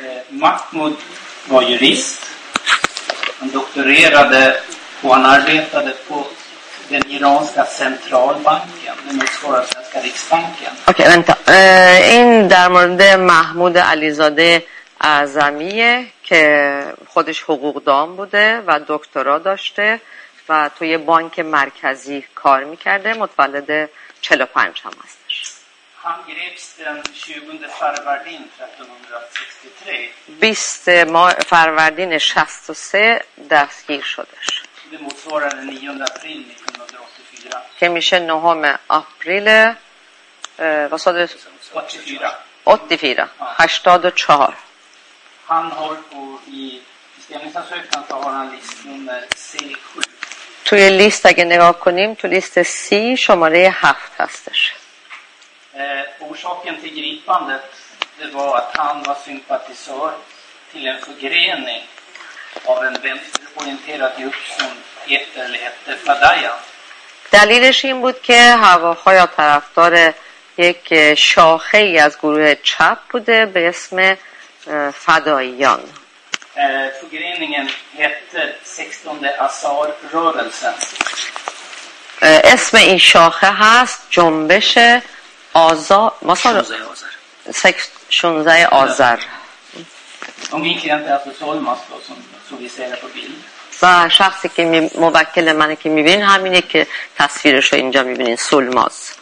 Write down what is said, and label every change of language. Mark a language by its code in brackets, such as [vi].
[sv] محمود var jurist. Han doktorerade och han arbetade på den iranska centralbanken, den motsvarar svenska riksbanken. Okej, okay, vänta. [fa] این در مورد محمود علیزاده اعظمیه که خودش حقوق دان بوده و دکترا داشته و توی بانک مرکزی کار میکرده، متولد 45 هم هست. [sv] Han greps den 20 [fa] فروردین 1363. 20 فروردین 63 دستگیر شدش. [sv] Det motsvarar den 9 april 1984. [fa] که میشه 9 آپریل [sv] vad sa du? [fa] 84. 84. [sv] Han har på i beställningsansökan så har han listnummer C7. [fa] توی لیست اگه نگاه کنیم تو لیست سی شماره 7 هستش. [sv] Orsaken till gripandet det var att han var sympatisör till en förgrening av en vänsterorienterad grupp som heter eller hette Fadaya. [fa] دلیلش این بود که هواخوا یا طرفدار یک شاخه ای از گروه چپ بوده به اسم فداییان. [sv] Förgreningen hette 16 Azar rörelsen. [fa] اسم این شاخه هست جنبش آزار مثلا 16 آذر. [sv] اون این کلیانت از سول ماست سو ویسیر پا بیل. [fa] و شخصی که موکل منه که میبینین همینه که تصویرش رو اینجا میبینین سول ماست.